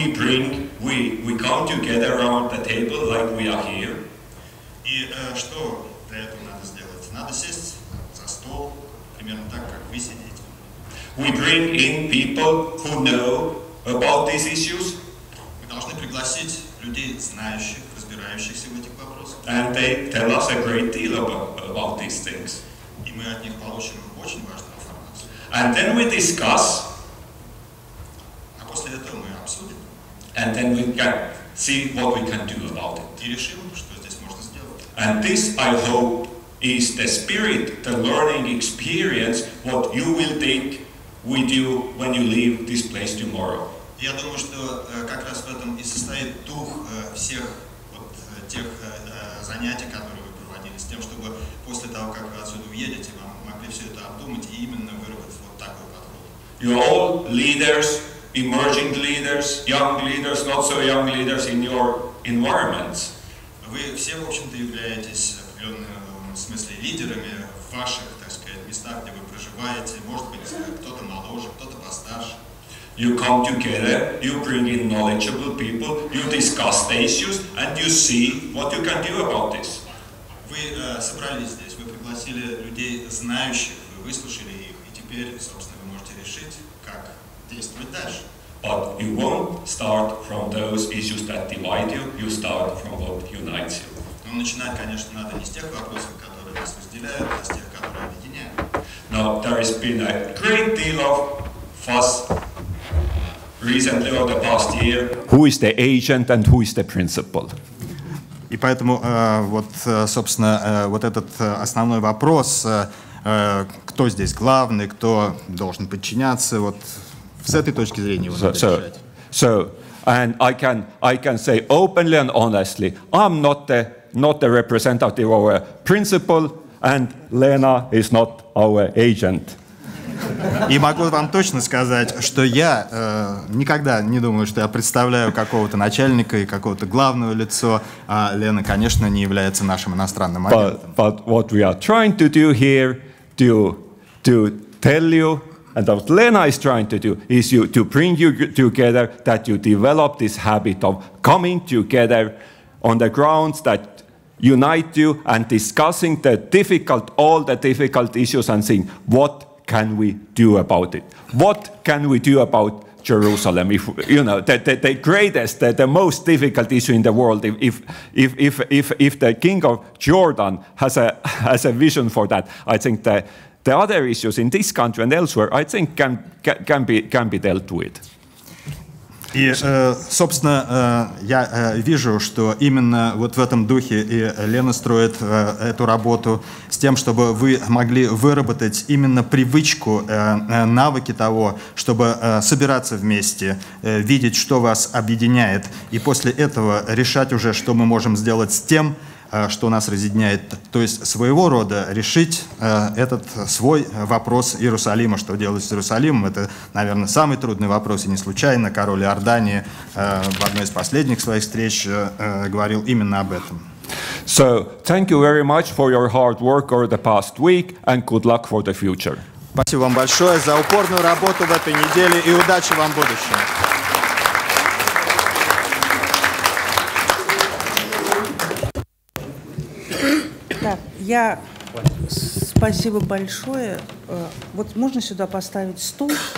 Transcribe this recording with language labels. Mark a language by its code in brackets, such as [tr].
[en] We come together around the table like we are here. [ru] И что для этого надо сделать? Надо сесть за стол, примерно так, как вы сидите. [en] We bring in people who know about these issues. [ru] Мы должны пригласить людей, знающих, разбирающихся в этих вопросах. [en] And they tell us a great deal about these things. [ru] И мы от них получим очень важную информацию. [en] And then we discuss. [ru] После этого мы обсудим. [en] And then we can see what we can do about it. [ru] И решим, что здесь можно сделать. [en] And this, I hope, is the spirit, the learning experience, what you will think we do when you leave this place tomorrow. [ru] Я думаю, что как раз в этом и состоит дух всех вот тех занятий, которые вы проводили, с тем, чтобы после того, как вы отсюда уедете, вам могли все это обдумать и именно выработать вот такой подход. [en] You are all leaders, emerging leaders, young leaders, not so young leaders in your environments. [ru] Вы все, в общем-то, являетесь определенным смысле лидерами в ваших, так сказать, местах, где вы проживаете. Может быть, кто-то моложе, кто-то постарше. [en] You come together, you bring in knowledgeable people, you discuss the issues, and you see what you can do about this. [ru] Вы собрались здесь, вы пригласили людей знающих, вы выслушали их, и теперь, собственно, вы можете решить, как действовать дальше. [en] But you won't start from those issues that divide you, you start from what unites you. [ru] Но начинать, конечно, надо не с тех вопросов, которые нас разделяют, а с тех, которые объединяют. [en] Now, there has been a great deal of fuss recently or the past year. Who is the agent and who is the principal? [ru] И поэтому вот, собственно, вот этот основной вопрос, кто здесь главный, кто должен подчиняться, вот с этой точки зрения его надо решать. [en] So, and I can say openly and honestly, I'm not the representative of our principal, and Lena is not our agent. [ru] И могу вам точно сказать, что я никогда не думаю, что я представляю какого-то начальника и какого-то главного лицо, а Лена, конечно, не является нашим иностранным агентом. [en] But what we are trying to do here, to tell you, and what Lena is trying to do, is to bring you together, that you develop this habit of coming together on the grounds that unite you and discussing all the difficult issues and seeing what can we do about it? What can we do about Jerusalem? If you know the greatest, the most difficult issue in the world. If the King of Jordan has a vision for that, I think the other issues in this country and elsewhere, I think can be dealt with. [ru] И, собственно, я вижу, что именно вот в этом духе и Лена строит эту работу с тем, чтобы вы могли выработать именно привычку, навыки того, чтобы собираться вместе, видеть, что вас объединяет, и после этого решать уже, что мы можем сделать с тем, что нас разъединяет, то есть своего рода решить этот свой вопрос Иерусалима, что делать с Иерусалимом. Это, наверное, самый трудный вопрос, и не случайно король Иордании в одной из последних своих встреч говорил именно об этом. [en] So, thank you very much for your hard work over the past week, and good luck for the future. [ru] Спасибо вам большое за упорную работу в этой неделе, и удачи вам в будущем. Я спасибо большое. Вот можно сюда поставить стул?